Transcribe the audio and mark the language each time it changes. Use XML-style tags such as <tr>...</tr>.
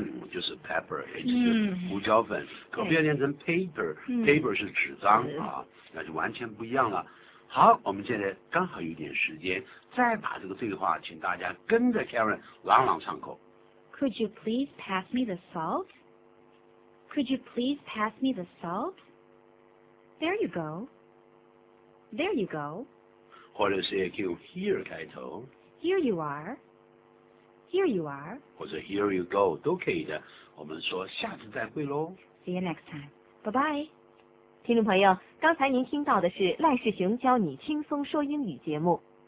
<zh>就是 pepper， 也就是胡椒粉，可不要念成 paper，paper、paper 是纸张啊，那就完全不一样了。好，我们现在刚好有点时间，再把这个对话请大家跟着 Karen 朗朗上口。</zh> <en>Could you please pass me the salt? Could you please pass me the salt? There you go. There you go.</en> <zh>或者是也可以用 here 开头。</zh> <en>Here you are. Here you are.</en> <zh>或者</zh> <en>here you go</en> <zh>都可以的。我们说下次再会咯。</zh> <en>See you next time. Bye bye.</en> <zh>听众朋友，刚才您听到的是赖世雄教你轻松说英语节目。</zh>